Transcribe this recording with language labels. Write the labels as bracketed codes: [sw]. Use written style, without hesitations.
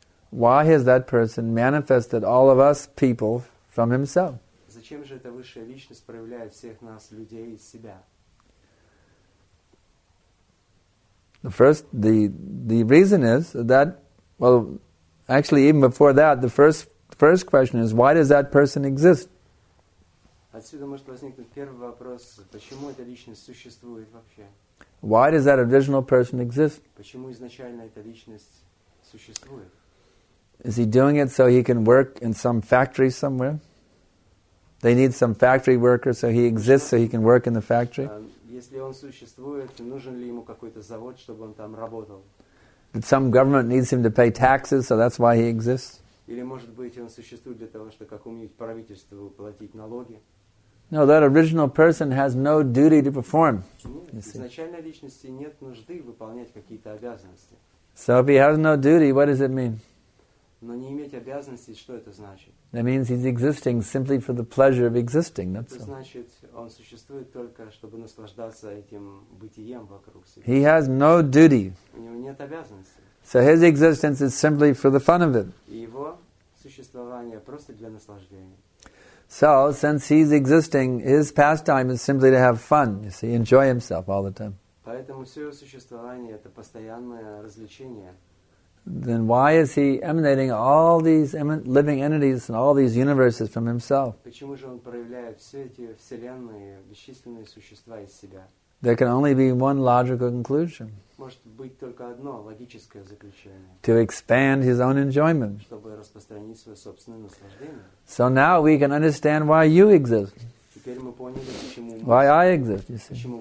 [en] Why has that person manifested all of us people from himself? [ru] Зачем же эта высшая личность проявляет всех нас людей из себя? [en] The first question is, why does that person exist? [ru] Отсюда может возникнуть первый вопрос, почему эта личность существует вообще? [en] Why does that original person exist? [ru] Почему изначально эта личность существует? [en] Is he doing it so he can work in some factory somewhere? They need some factory worker, so he exists so he can work in the factory? [ru] Если он существует, нужен ли ему какой-то завод, чтобы он там работал? [en] But some government needs him to pay taxes, so that's why he exists? [ru] Или может быть он существует для того, чтобы какому-нибудь правительству платить налоги? [en] No, that original person has no duty to perform. [ru] Нет, изначальной личности нет нужды выполнять какие-то обязанности. [en] So if he has no duty, what does it mean? [ru] Но не иметь обязанности, что это значит? [en] That means he's existing simply for the pleasure of existing. That's all. [ru] Значит, он существует только, чтобы наслаждаться этим бытием вокруг себя. [en] He has no duty. [ru] У него нет обязанности. [en] So his existence is simply for the fun of it. [ru] И его существование просто для наслаждения. [en] So, since he's existing, his pastime is simply to have fun, you see, enjoy himself all the time. [ru] Поэтому все его существование – это постоянное развлечение. [en] Then why is he emanating all these living entities and all these universes from himself? [ru] Почему же он проявляет все эти вселенные, бесчисленные существа из себя? [en] There can only be one logical conclusion. [ru] Может быть только одно логическое заключение. [en] To expand his own enjoyment. [ru] Чтобы распространить свое собственное наслаждение. [en] So now we can understand why you exist. Why I exist, you see.